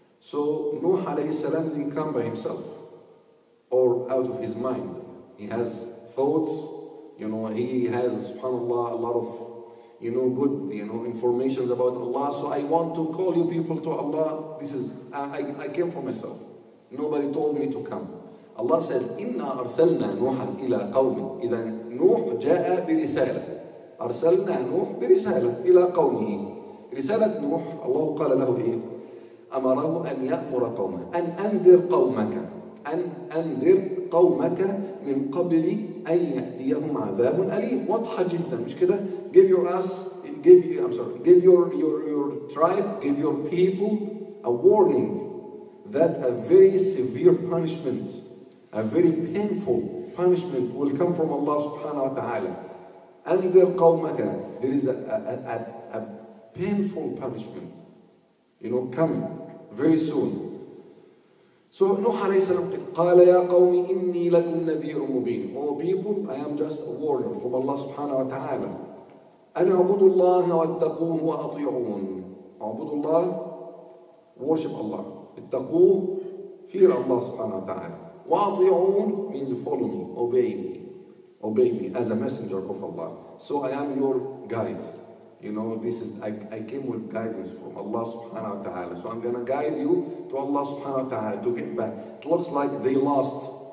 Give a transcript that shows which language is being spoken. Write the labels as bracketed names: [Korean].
[English] So نوح [Arabic] عليه السلام [English] didn't come by himself or out of his mind. He has thoughts, you know, he has, subhanallah, a lot of, you know, good, you know, informations about Allah. So I want to call you people to Allah. This is, I came for myself. Nobody told me to come. Allah says, [Arabic] إِنَّا أَرْسَلْنَا نُوحًا إِلَى قَوْمٍ. إِذَا نُوح جَاءَ بِرِسَالَةٍ. أَرْسَلْنَا نُوح بِرِسَالَةٍ إِلَى قَوْمِهِ. رسالة نوح، الله قال له إيه؟ أمره أن يأمر قومه، أن أنذر قومك، أن أنذر قومك من قبل أن يأتيهم عذاب أليم. واضحة جدا، مش كده؟ [English] give your us give you I'm sorry give your tribe, give your people a warning that a very severe punishment, a very painful punishment will come from Allah subhanahu wa ta'ala. [Arabic] أنذر قومك. [English] There is a painful punishment, you know, coming very soon. So [Arabic] نوح عليه السلام قال: يا قوم إني لكم نذير مبين. [English] Oh people, I am just a warner from Allah subhanahu wa ta'ala. [Arabic] أن اعبدوا الله واتقوه وأطيعون. اعبدوا الله، [English] worship Allah. [Arabic] اتقوه، [English] fear Allah [Arabic] سبحانه وتعالى. وأطيعون [English] means follow me, obey me. Obey me as a messenger of Allah. So I am your guide. You know, this is, I came with guidance from Allah [Arabic] سبحانه وتعالى. [English] So I'm gonna guide you to Allah [Arabic] سبحانه وتعالى [English] to get back. It looks like they lost.